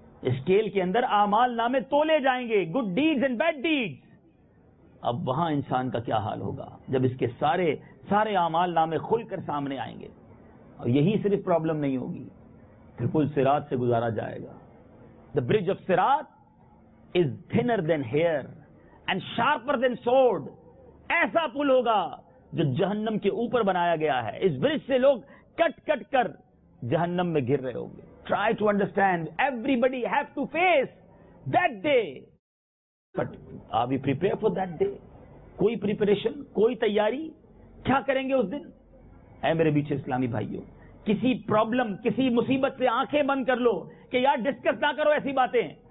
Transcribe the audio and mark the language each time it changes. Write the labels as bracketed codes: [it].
[ur] Scale کے اندر اعمال نامے تولے جائیں گے, [en] Good deeds and bad deeds. [ur] اب وہاں انسان کا کیا حال ہوگا جب اس کے سارے اعمال نامے کھل کر سامنے آئیں گے. اور یہی صرف پرابلم نہیں ہوگی, پھر پل صراط سے گزارا جائے گا. [en] The bridge of Sirat is thinner than hair and sharper than sword. [ur] ایسا پل ہوگا جو جہنم کے اوپر بنایا گیا ہے. اس برج سے لوگ کٹ کٹ کر جہنم میں گر رہے ہوں گے. [en] Try to understand, everybody have to face that day, but are we prepare for that day? [ur] کوئی پریپریشن, کوئی تیاری, کیا کریں گے اس دن؟ اے میرے بیچے اسلامی بھائیوں, کسی پرابلم, کسی مصیبت سے آنکھیں بند کر لو کہ یار ڈسکس نہ کرو ایسی باتیں.